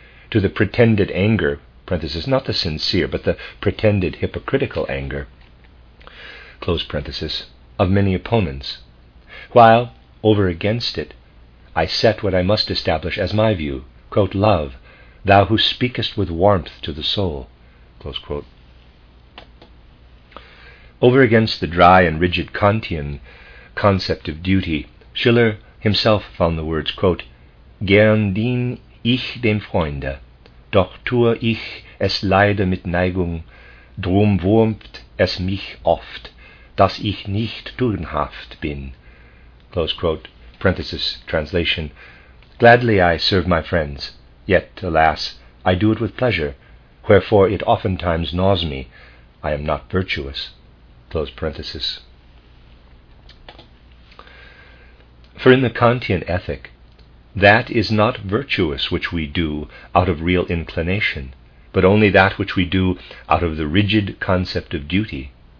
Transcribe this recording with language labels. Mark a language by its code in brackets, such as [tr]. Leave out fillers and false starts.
[en] To the pretended anger, parenthesis, not the sincere, but the pretended hypocritical anger, close parenthesis, of many opponents, while, over against it, I set what I must establish as my view, quote, love, thou who speakest with warmth to the soul, close quote. Over against the dry and rigid Kantian concept of duty, Schiller himself found the words, quote, [de] gern dien ich dem Freunde, doch tue ich es leider mit Neigung, drum wurmt es mich oft, dass ich nicht tugendhaft bin. [en] Close quote. Parenthesis translation. Gladly I serve my friends, yet, alas, I do it with pleasure, wherefore it oftentimes gnaws me. I am not virtuous. Close parenthesis. For in the Kantian ethic, that is not virtuous which we do out of real inclination, but only that which we do out of the rigid concept of duty.